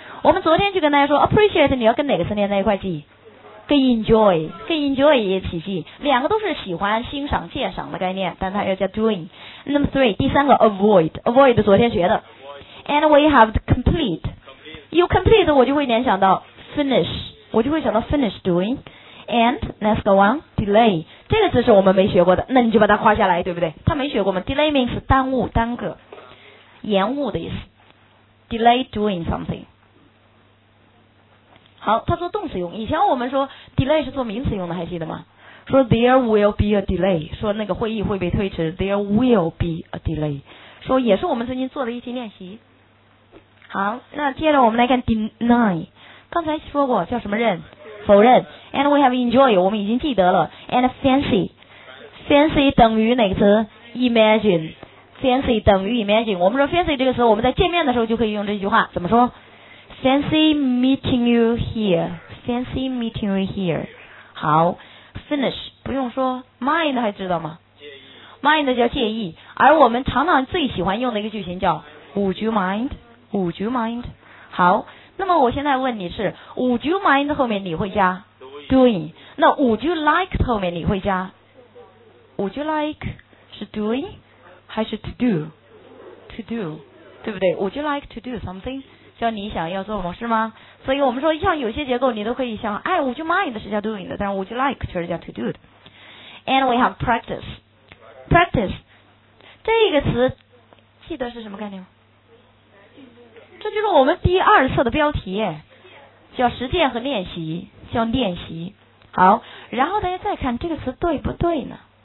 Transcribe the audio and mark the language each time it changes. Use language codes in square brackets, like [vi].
[zh] 我们昨天就跟大家说 appreciate 你要跟哪个词连在一块记？跟 enjoy 也起记，两个都是喜欢欣赏鉴赏的概念，但它要加 doing。那么 three 第三个 avoid 昨天学的 [en] and we have complete， [zh] 有 complete 我就会联想到 finish， 我就会想到 finish doing。 [en] and next one delay， [zh] 这个字是我们没学过的，那你就把它画下来，对不对？它没学过吗？ [en] delay means [zh] 耽误耽搁延误的意思， [en] delay doing something。 [zh] 好，他做动词用。以前我们说 delay 是做名词用的，还记得吗？说 [en] there will be a delay， [zh] 说那个会议会被推迟， there will be a delay， 说也是我们曾经做的一期练习。好，那接着我们来看 deny， 刚才说过叫什么任，否认。 [en] and we have enjoy， [zh] 我们已经记得了。 [en] and fancy， [zh] fancy 等于哪个词？ [en] imagine， fancy 等于 imagine。 [zh] 我们说 fancy 这个词我们在见面的时候就可以用这句话，怎么说？ [en] fancy meeting you here， [zh] fancy meeting you here。好，finish 不用说， mind 还知道吗？mind 叫介意。而我们常常最喜欢用的一个句型叫 [en] would you mind， [zh] would you mind。好，那么我现在问你是 [en] would you mind [zh] 后面你会加 doing， 那 [en] would you like [zh] 后面你会加 would you like， 是 doing 还是 [en] to do， [zh] to do， 对不对？ [en] would you like to do something， [zh] 叫你想要做某事吗？所以我们说像有些结构你都可以想，哎， [en] would you mind [zh] 是叫 doing 的，但是 [en] would you like [zh] 却是叫 to do 的。 [en] and we have practice， [zh] practice 这个词记得是什么概念吗？这就是我们第二册的标题，叫实践和练习，叫练习。好，然后大家再看这个词对不对呢？